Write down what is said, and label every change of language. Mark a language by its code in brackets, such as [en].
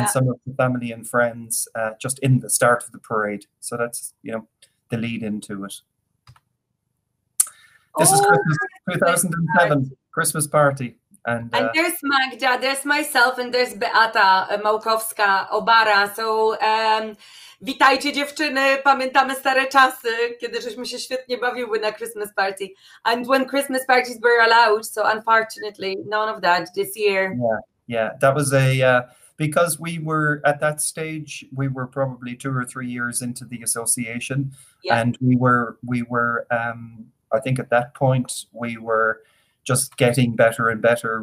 [en] And some of the family and friends just in the start of the parade. So that's, you know, the lead into it. This is Christmas 2007, Christmas party. And there's Magda, there's myself, and there's Beata Małkowska Obara. [pl] So, witajcie dziewczyny, pamiętamy stare czasy, kiedy żeśmy się świetnie bawiły na Christmas party. [en] And when Christmas parties were allowed, so unfortunately, none of that this year. Yeah, that was because we were at that stage, we were probably 2 or 3 years into the association. Yeah. And we were, I think at that point, we were just getting better and better.